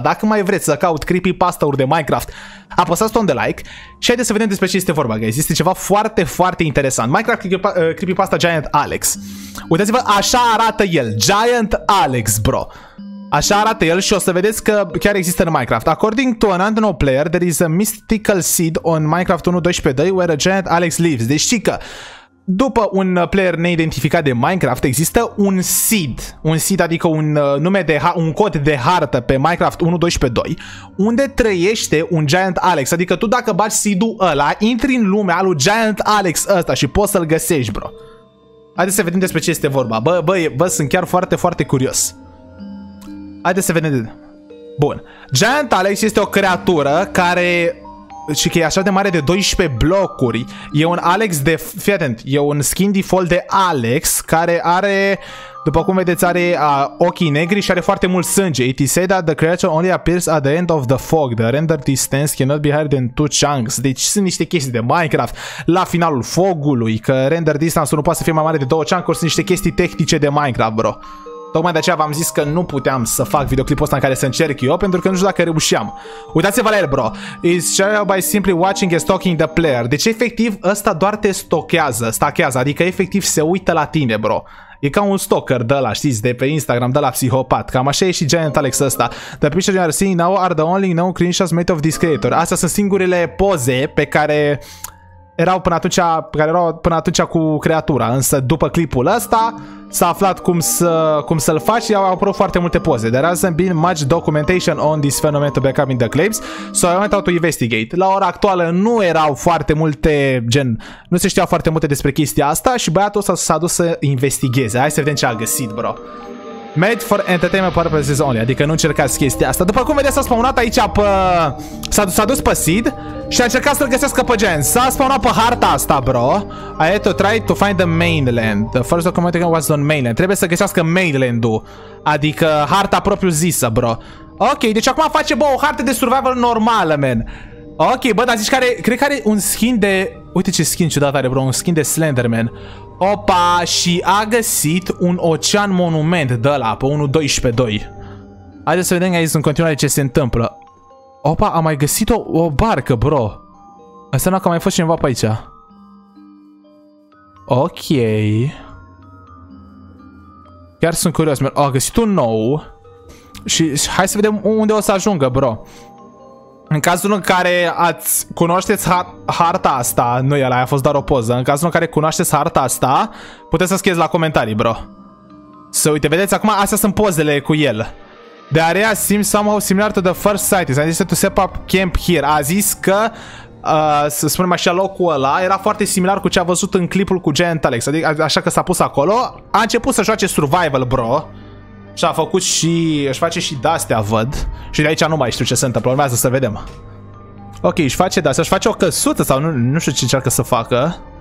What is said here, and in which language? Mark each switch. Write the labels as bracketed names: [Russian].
[Romanian] Dacă mai vreți să caut creepypasta-uri de Minecraft, apăsați ton de like și haideți să vedem despre ce este vorba, guys. Este ceva foarte, foarte interesant. Minecraft creepypasta Giant Alex. Uitați-vă, așa arată el. Giant Alex, bro. Așa arată el și o să vedeți că chiar există în Minecraft. [English] According to an unknown player, there is a mystical seed on Minecraft 1.12.2 where a Giant Alex lives. [Romanian] Deci știi că după un player neidentificat de Minecraft există un seed, adică un nume de un cod de hartă pe Minecraft 1.12.2 unde trăiește un Giant Alex. Adică tu dacă bagi seed-ul ăla, intri în lumea lui Giant Alex ăsta și poți să-l găsești, bro. Haideți să vedem despre ce este vorba. Bă, sunt chiar foarte, foarte curios. Haideți să vedem. Bun. Giant Alex este o creatură care... Și că e așa de mare, de 12 blocuri. E un Alex de... Fii atent, e un skin default de Alex care are, după cum vedeți, are ochii negri și are foarte mult sânge. [English] It is said that the creature only appears at the end of the fog. The render distance cannot be higher than 2 chunks. [Romanian] Deci sunt niște chestii de Minecraft la finalul fogului, că render distance nu poate să fie mai mare de 2 chunks. Sunt niște chestii tehnice de Minecraft, bro. Tocmai de aceea v-am zis că nu puteam să fac videoclipul ăsta în care să încerc eu, pentru că nu știu dacă reușeam. Uitați-vă la el, bro. [English] It's shadow by simply watching and stalking the player. [Romanian] Deci efectiv ăsta doar te stalkează, adică efectiv se uită la tine, bro. E ca un stalker de ăla, știți, de pe Instagram, de la psihopat. Cam așa e și Giant Alex ăsta. [English] The pictures you are seeing now are the only known screenshots made of this creator. [Romanian] Astea sunt singurele poze pe care erau până atunci, cu creatura, însă după clipul ăsta s-a aflat cum să-l faci și au apărut foarte multe poze. [English] There hasn't been much documentation on this phenomenon to back up in the claims, so I went out to investigate. [Romanian] La ora actuală nu erau foarte multe, gen, nu se știau foarte multe despre chestia asta și băiatul ăsta s-a dus să investigeze. Hai să vedem ce a găsit, bro. [English] Made for entertainment purposes only, [Romanian] adică nu încercați chestia asta. După cum vedeți, s-a spawnat aici pe... S-a dus pe seed și a încercat să-l găsească pe gen. S-a spawnat pe harta asta, bro. [English] I had to try to find the mainland. The first documentation was on mainland. [Romanian] Trebuie să găsească mainland-ul, adică harta propriu zisă, bro. Ok, deci acum face, bă, o harte de survival normală, man. Ok, bă, dar zici că are... Cred că are un skin de... Uite ce skin ciudat are, bro, un skin de Slenderman. Opa, și a găsit un ocean monument de ăla, pe 1.12.2. Haideți să vedem aici în continuare ce se întâmplă. Opa, a mai găsit o barcă, bro. Înseamnă că a mai fost cineva pe aici. Ok. Chiar sunt curios, man. A găsit un nou. Și hai să vedem unde o să ajungă, bro. În cazul în care ați cunoașteți harta asta, nu e ăla, a fost doar o poză. În cazul în care cunoașteți harta asta, puteți să scrieți la comentarii, bro. Să uite, vedeți, acum astea sunt pozele cu el. [English] The area seems somehow similar to the first site. I said to set up camp here. [Romanian] A zis că să spunem așa, locul ăla era foarte similar cu ce a văzut în clipul cu Giant Alex. Adică așa că s-a pus acolo, a început să joace survival, bro. Și a făcut și își face și d-astea, văd. Și de aici nu mai știu ce se întâmplă, urmează să vedem. Ok, își face d-astea, își face o căsuță sau nu știu ce încearcă să facă.